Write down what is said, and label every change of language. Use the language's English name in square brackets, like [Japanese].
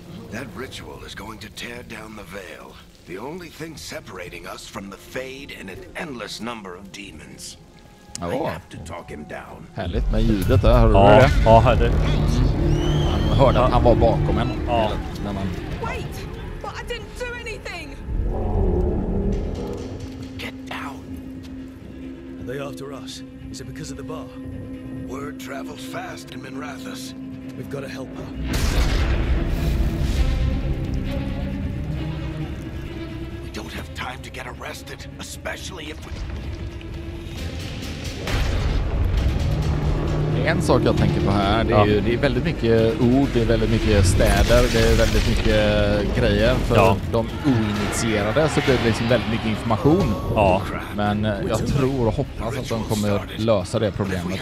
[English] That ritual is going to tear down the veil. The only thing separating us from the fade and an endless number of demons. I have to talk him down. [Swedish] Härligt med ljudet där, hörde du det? Ja, hörde. Man hörde att han var bakom en. När man... [English] Wait, but I didn't do anything. Get down. Are they after us? Is it because of the bar? Word travels fast in Minrathus. We've got to help her. We don't have time to get arrested, especially if we... [Swedish] En sak jag tänker på här, det är ju, det är väldigt mycket ord, det är väldigt mycket städer, det är väldigt mycket grejer. För de oinitierade så blir det liksom väldigt mycket information. Ja. Men jag tror och hoppas att de kommer lösa det problemet.